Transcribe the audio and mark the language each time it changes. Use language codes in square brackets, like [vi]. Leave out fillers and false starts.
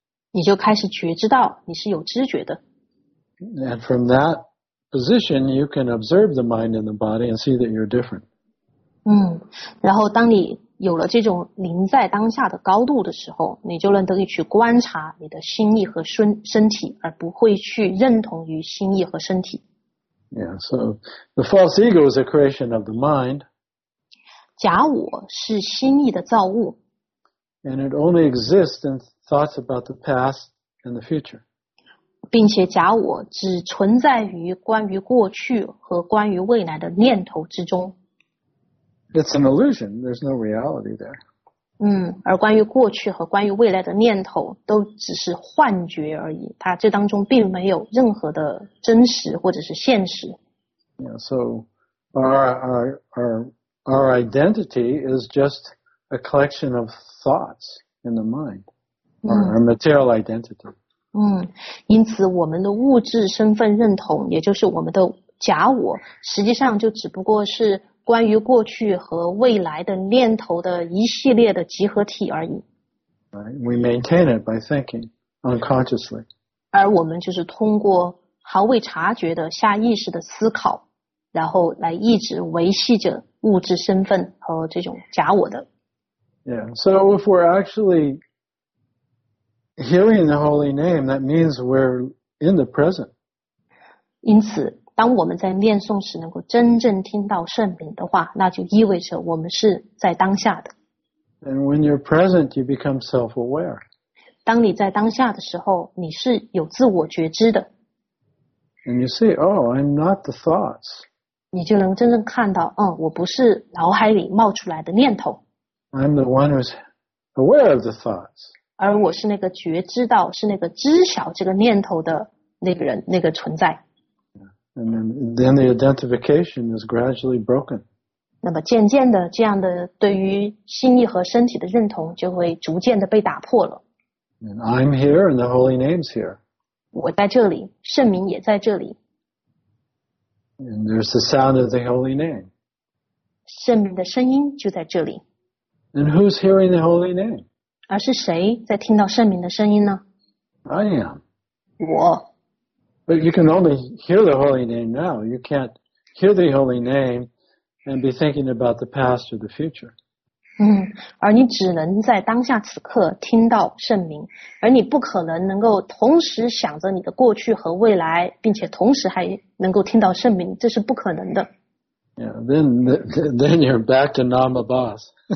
[zh] 你就开始觉知到你是有知觉的。 [en] And from that position, you can observe the mind and the body and see that you're different. [zh] 然后当你有了这种临在当下的高度的时候，你就能得以去观察你的心意和身体，而不会去认同于心意和身体。 [en] Yeah, so the false ego is a creation of the mind. [zh] 假我是心意的造物。 [en] And it only exists in thoughts about the past and the future. [zh] 并且假我只存在于关于过去和关于未来的念头之中。 [en] It's an illusion. There's no reality there. [zh] 而关于过去和关于未来的念头都只是幻觉而已，它这当中并没有任何的真实或者是现实。 [en] Yeah, so our identity is just a collection of thoughts in the mind, our material identity. [zh] 因此我们的物质身份认同，也就是我们的假我，实际上就只不过是关于过去和未来的念头的一系列的集合体而已。 [en] We maintain it by thinking unconsciously. [zh] 而我们就是通过毫未察觉的下意识的思考，然后来一直维系着物质身份和这种假我的。 [en] Yeah, so if we're actually hearing the holy name, that means we're in the present. [zh] 因此当我们在念诵时能够真正听到圣名的话，那就意味着我们是在当下的。 [en] And when you're present, you become self-aware. [zh] 当你在当下的时候，你是有自我觉知的。 [en] And you see, oh, I'm not the thoughts. [zh] 你就能真正看到，我不是脑海里冒出来的念头。 [en] I'm the one who's aware of the thoughts. [zh] 而我是那个觉知到，是那个知晓这个念头的那个人，那个存在。 [en] And then the identification is gradually broken. [zh] 那么渐渐的，这样的对于心意和身体的认同就会逐渐的被打破了。 [en] And I'm here and the holy name's here. [zh] 我在这里，圣名也在这里。 [en] And there's the sound of the holy name. [zh] 圣名的声音就在这里。 [en] And who's hearing the holy name? [zh] 而是谁在听到圣名的声音呢？ [en] I am. [zh] 我。 [en] But you can only hear the holy name now. You can't hear the holy name and be thinking about the past or the future. [zh] 而你只能在当下此刻听到圣名，而你不可能能够同时想着你的过去和未来，并且同时还能够听到圣名，这是不可能的。 [en] Yeah, then you're back to Nama Boss.